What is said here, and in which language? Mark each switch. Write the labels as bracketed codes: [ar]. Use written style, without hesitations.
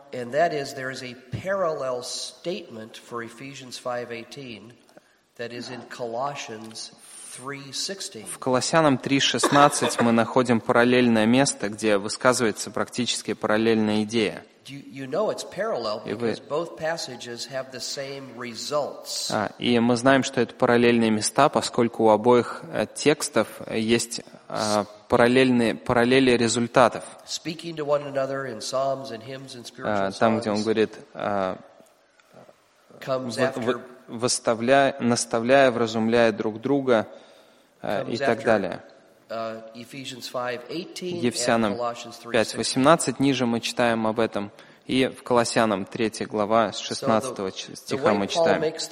[en] And that is there is a parallel statement for Ephesians 5:18. That is in Colossians 3:16. [ru] В Колоссянам 3:16 мы находим параллельное место, где высказывается практически параллельная идея. [en] You know it's parallel because both passages have the same results. [ru] И мы знаем, что это параллельные места, поскольку у обоих текстов есть параллели результатов. [en] Speaking to one another in psalms and hymns and spiritual songs. [ru] Там, где он говорит, наставляя, вразумляя друг друга и так далее. Ефесянам 5:18, ниже мы читаем об этом, и в Колоссянам 3 глава 16 стиха мы читаем.